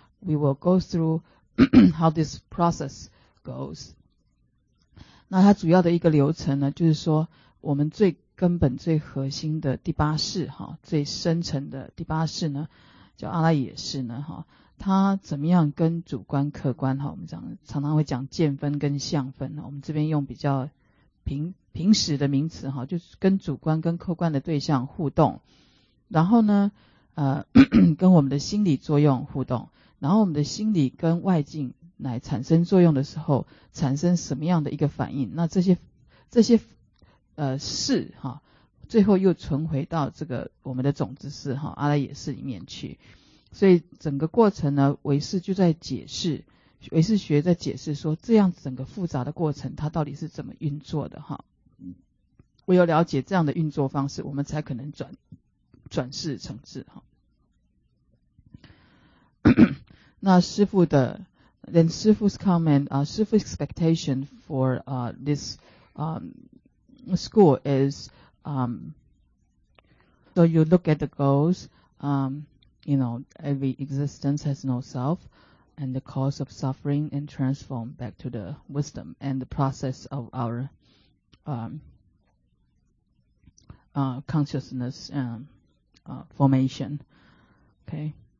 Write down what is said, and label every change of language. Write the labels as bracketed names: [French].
[English] We will go through how this process goes. [Chinese] 那它主要的一个流程呢，就是说我们最根本最核心的第八识哈，最深层的第八识呢叫阿赖耶识呢哈，它怎么样跟主观客观哈，我们讲常常会讲见分跟相分，我们这边用比较平时的名词哈，就是跟主观跟客观的对象互动，然后呢跟我们的心理作用互动，然后我们的心理跟外境来产生作用的时候产生什么样的一个反应，那这些事哈，最后又存回到这个我们的种子识哈，阿赖耶识里面去。所以整个过程呢，唯识就在解释，唯识学在解释说这样整个复杂的过程它到底是怎么运作的哈，唯有了解这样的运作方式，我们才可能转世成智哈。那师父的 [English] ，then 师父 's comment 啊，师父 expectation for this school is so you look at the goals you know every existence has no self and the cause of suffering and transform back to the wisdom and the process of our consciousness formation. Okay.